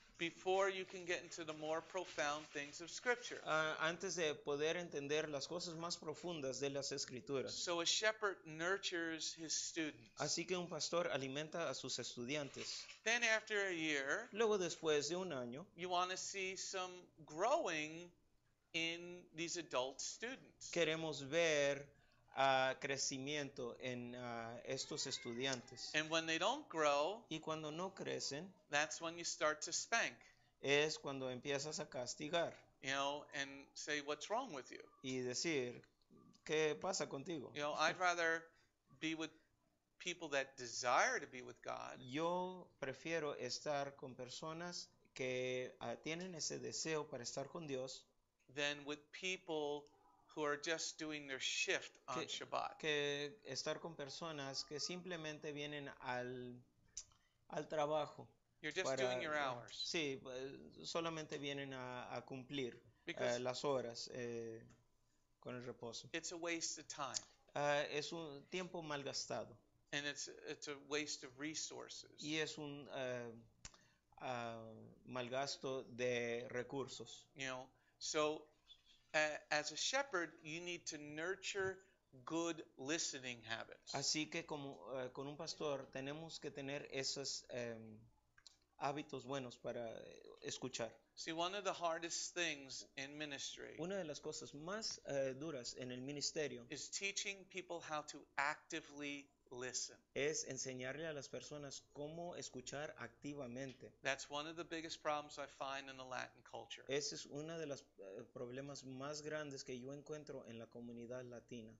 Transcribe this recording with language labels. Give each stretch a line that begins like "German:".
English: Before you can get into the more profound things of Scripture.
Spanish: Antes de poder entender las cosas más profundas de las Escrituras.
English: So a shepherd nurtures his students.
Spanish: Así que un pastor alimenta a sus estudiantes.
English: Then after a year,
Spanish: luego después de un año,
English: you want to see some growing in these adult students.
Spanish: Queremos ver crecimiento en estos estudiantes.
English: And when they don't grow,
Spanish: y cuando no crecen,
English: that's when you start to spank.
Spanish: Es cuando empiezas a castigar.
English: You know, and say, what's wrong with you?
Spanish: Y decir, ¿qué pasa contigo?
English: You know, I'd rather be with people that desire to be with God.
Spanish: Yo prefiero estar con personas que tienen ese deseo para estar con Dios.
English: Than with people who are just doing their shift on Shabbat.
Spanish: Que estar con personas que simplemente vienen al trabajo.
English: You're just doing your hours.
Spanish: Sí, solamente vienen a cumplir las horas con el reposo.
English: It's a waste of time.
Spanish: Es un tiempo mal gastado.
English: And it's a waste of resources.
Spanish: Y es un mal gasto de recursos.
English: You know, so as a shepherd, you need to nurture good listening habits.
Spanish: Así que como con un pastor tenemos que tener esos hábitos buenos para escuchar.
English: See, one of the hardest things in ministry.
Spanish: Una de las cosas más duras en el ministerio
English: is teaching people how to actively listen.
Spanish: Es enseñarle a las personas cómo escuchar activamente.
English: That's one of the biggest problems I find in the Latin culture.
Spanish: Ese es uno de los problemas más grandes que yo encuentro en la comunidad latina.